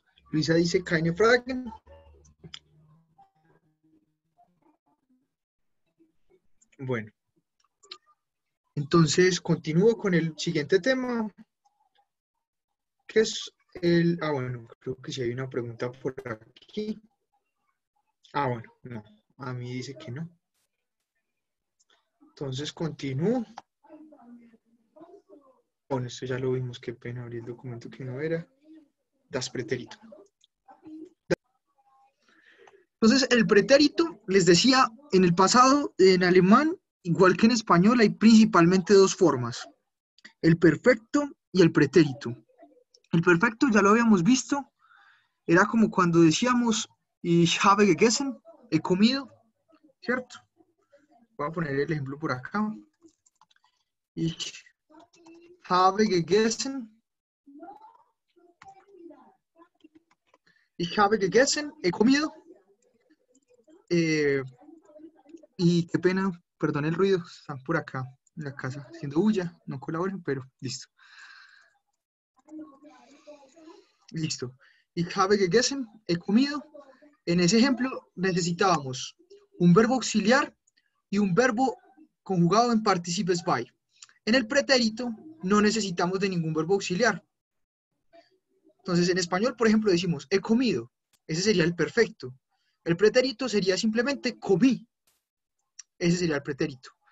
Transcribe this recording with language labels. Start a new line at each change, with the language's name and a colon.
Spanish: Luisa dice
German: keine Fragen.
Spanish: Bueno, entonces continúo con el siguiente tema, que es el. Ah, bueno, creo que sí hay una pregunta por aquí. Ah, bueno, no, a mí dice que no. Entonces continúo. Bueno, esto ya lo vimos, qué pena abrir el documento que no era. Das pretérito. Entonces, el pretérito, les decía, en el pasado, en alemán, igual que en español, hay principalmente dos formas, el perfecto y el pretérito. El perfecto ya lo habíamos visto, era como cuando decíamos,
German: ich habe gegessen,
Spanish: he comido, ¿cierto? Voy a poner el ejemplo por acá.
German: Ich gegessen. Ich habe gegessen,
Spanish: he comido. Y qué pena, perdón el ruido, están por acá en la casa haciendo bulla, no colaboran, pero listo. Listo.
German: Ich habe gegessen,
Spanish: he comido. En ese ejemplo necesitábamos un verbo auxiliar y un verbo conjugado en participios by. En el pretérito no necesitamos de ningún verbo auxiliar. Entonces, en español, por ejemplo, decimos he comido. Ese sería el perfecto. El pretérito sería simplemente comí. Ese sería el pretérito.